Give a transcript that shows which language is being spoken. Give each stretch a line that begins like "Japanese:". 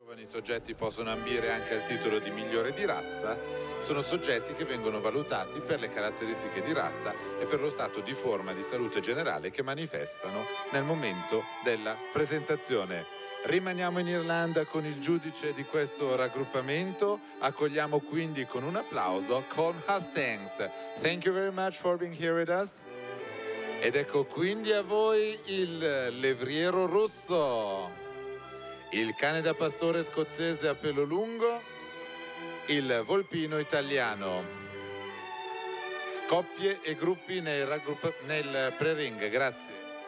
Italian: giovani soggetti possono ambire anche al titolo di migliore di razza, sono soggetti che vengono valutati per le caratteristiche di razza e per lo stato di forma di salute generale che manifestano nel momento della presentazione. Rimaniamo in Irlanda con il giudice di questo raggruppamento. Accogliamo quindi con un applauso Colm Hastings.
English: Thank you very much for being here with us.
Italian: Ed ecco quindi a voi il levriero rosso, il cane da pastore scozzese a pelo lungo, il volpino italiano. Coppie e gruppi nel pre-ring, grazie.